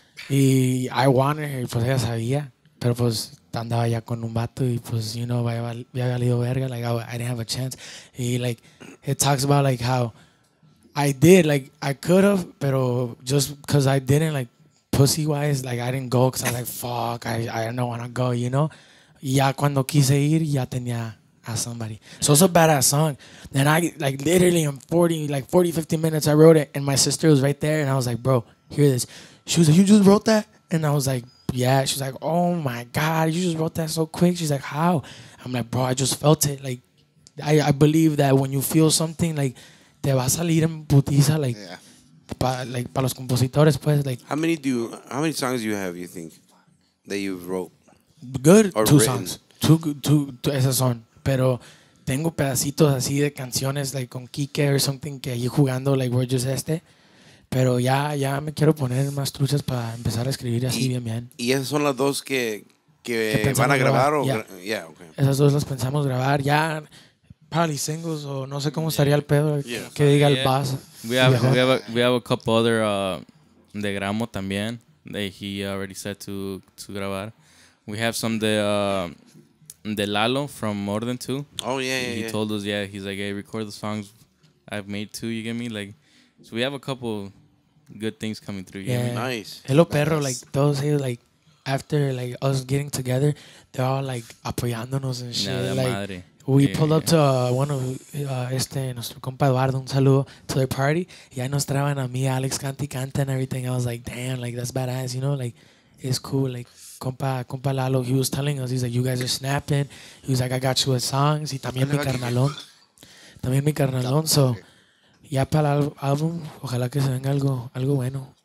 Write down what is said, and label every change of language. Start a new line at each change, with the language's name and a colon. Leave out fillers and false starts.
Spanish: Y
English: I wanted her,
Spanish: pues ella sabía, pero pues andaba ya con un vato y pues,
English: you know,
Spanish: ya había valido verga,
English: like, I didn't have a chance. Y, like, it talks about, like, how I did, like, I could have, pero just because I didn't, like, pussy-wise, like, I didn't go because I was like, fuck, I don't want to go, you know?
Spanish: Y ya cuando quise ir, ya tenía a somebody.
English: So it's a badass song. And I, like, literally in 40, 50 minutes, I wrote it, and my sister was right there, and I was like, bro, hear this. She was like, you just wrote that? And I was like, yeah. She was like, oh, my God. You just wrote that so quick. She's like, how? I'm like, bro, I just felt it. Like, I believe that when you feel something, like,
Spanish: te va a salir en putiza,
English: like, yeah.
Spanish: Pa los compositores, pues. Like,
English: how many songs do you have, you think, that you wrote? Good. Or two written?
Spanish: Songs. Two esas son. Pero tengo pedacitos así de canciones, like, con Kike
English: or something,
Spanish: que allí jugando, like,
English: we're just
Spanish: este. Pero ya me quiero poner más truchas para empezar a escribir así bien. ¿Y esas son las dos que van a grabar?
English: Okay.
Spanish: Esas dos las pensamos grabar. Ya,
English: probably singles
Spanish: o no sé cómo estaría el pedo. Yeah. Que diga el bass.
English: We have a couple other
Spanish: de Gramo también.
English: He already said to grabar. We have some de Lalo from More Than Two. Oh, yeah, yeah. He told us, yeah, he's like, hey, record the songs I've made too, you get me? Like, so we have a couple good things coming through. Yeah. Nice. Hello, nice.
Spanish: Perro.
English: Like, those here, like, after, like, us getting together, they're all, like, apoyándonos and shit. Nada like, madre. We pulled up to one of,
Spanish: nuestro compa Eduardo, un saludo,
English: to their party.
Spanish: Y ahí nos traban a mí, Alex, canta
English: and everything. I was like, damn, like, that's badass, you know? Like, it's cool. Like, compa Lalo, he was telling us, he's like, you guys are snapping. He was like, I got you with songs.
Spanish: Y también mi carnalón. También mi carnalón, so... Ya para el álbum, ojalá que se venga algo bueno.